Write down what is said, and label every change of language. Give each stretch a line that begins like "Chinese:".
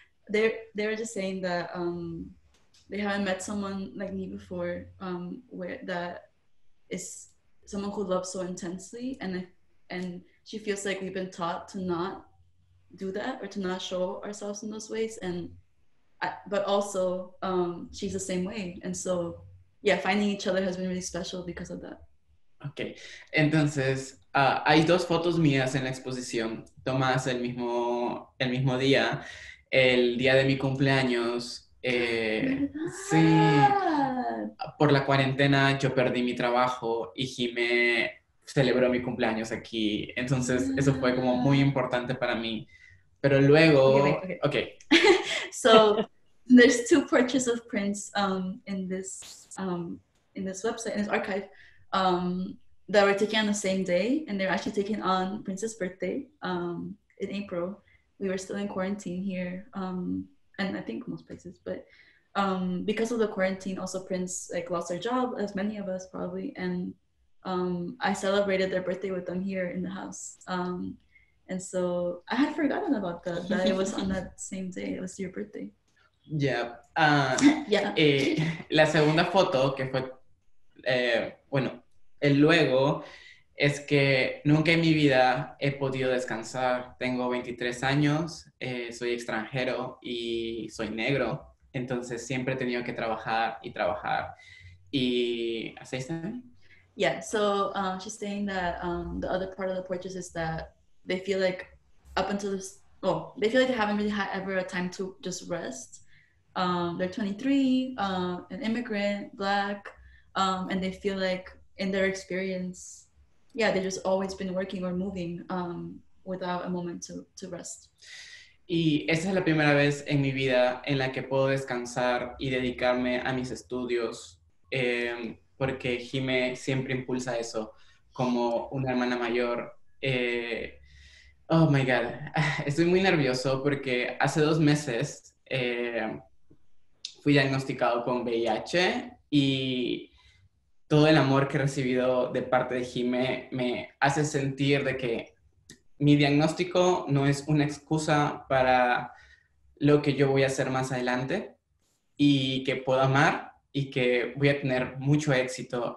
English: they were just saying that they haven't met someone like me before, where that is someone who loves so intensely, and she feels like we've been taught to not do that or to not show ourselves in those ways, but also she's the same way, and so yeah, finding each other has been really special because of that.
Spanish: Okay, entonces hay dos fotos mías en la exposición tomadas el mismo día, el día de mi cumpleaños. Sí, por la cuarentena yo perdí mi trabajo y xime celebró mi cumpleaños aquí, entonces eso fue como muy importante para mí. Pero luego, okay.
English: So there's two portraits of Prince in this website, in this archive, that were taken on the same day, and they're actually taken on Prince's birthday in April. We were still in quarantine here, and I think most places, but because of the quarantine, also Prince like lost their job, as many of us probably, and I celebrated their birthday with them here in the house. And so I had forgotten about that it was on that same day. It was your birthday. Yeah. yeah.
Spanish: La segunda foto que fue, bueno, el luego, es que nunca en mi vida he podido descansar. Tengo 23 años, soy extranjero y soy negro. Entonces siempre he tenido que trabajar y trabajar. Y así está.
English: Yeah, so she's saying that the other part of the purchase is that they feel like up until this, well, they feel like they haven't really had ever a time to just rest. They're 23, an immigrant, Black, and they feel like in their experience, yeah, they've just always been working or moving without a moment to rest.
Spanish: Y esa es la primera vez en mi vida en la que puedo descansar y dedicarme a mis estudios, porque xime siempre impulsa eso como una hermana mayor.
English: Oh my God,
Spanish: estoy muy nervioso porque hace 2 meses fui diagnosticado con VIH y todo el amor que he recibido de parte de xime me hace sentir de que mi diagnóstico no es una excusa para lo que yo voy a hacer más adelante y que puedo amar y que voy a tener mucho éxito.